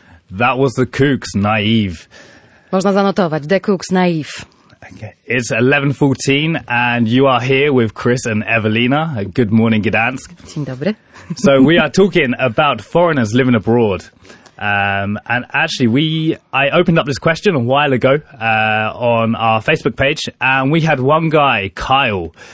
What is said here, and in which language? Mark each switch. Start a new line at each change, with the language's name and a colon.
English: That was the Kooks, Naive.
Polish: Można zanotować, The Kooks, Naive.
English: Okay. It's 11:14 and you are here with Chris and Evelina. Good morning, Gdansk.
Polish: Dzień dobry.
English: So we are talking about foreigners living abroad. And actually, I opened up this question a while ago on our Facebook page, and we had one guy, Kyle.